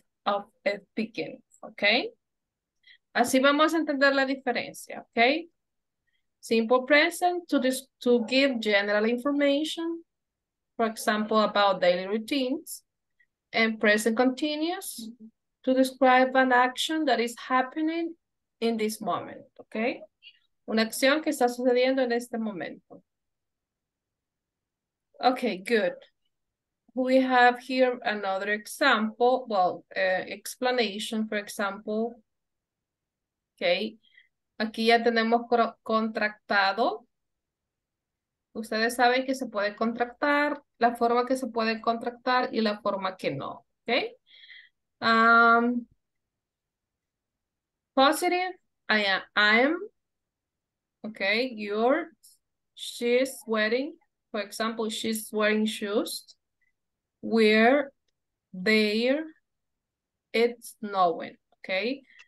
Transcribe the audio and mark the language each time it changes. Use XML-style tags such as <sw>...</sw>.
<en>of speaking,</en> <es>¿ok? Así vamos a entender la diferencia, ¿ok?</es> <en>Simple present to give general information, for example, about daily routines, and present continuous to describe an action that is happening in this moment, ¿ok?</en> <es>Una acción que está sucediendo en este momento.</es> <en>Okay, good. We have here another example, well, explanation, for example.</en> <es>Okay, aquí ya tenemos contractado. Ustedes saben que se puede contractar, la forma que se puede contractar y la forma que no, okay?</es> <en>Positive, I am, okay, yours, she's wearing, for example, she's wearing shoes, we're, there, it's snowing, okay?</en>